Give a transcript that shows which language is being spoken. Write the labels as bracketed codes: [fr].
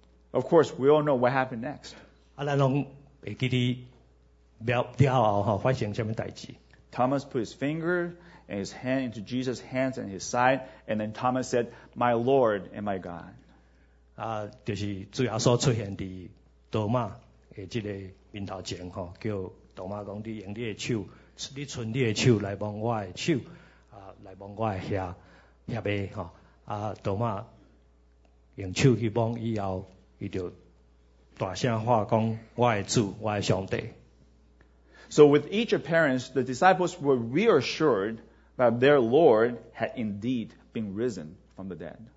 [en] Of course, we all know what happened next. [nan] 啊，咱拢会记得了了后吼，发生什么代志？ [en] Thomas put his finger and his hand into Jesus' hands and his side, and then Thomas said, "My Lord and my God." [nan] 就是主耶稣出现伫多马的这个面头前吼，叫多马讲，你用你的手，你伸你的手来摸我的手，啊，来摸我的血，血脉吼，啊，多马用手去摸以后，伊就大声话讲，我的主，我的上帝。 [en] So with each appearance, the disciples were reassured that their Lord had indeed been risen from the dead.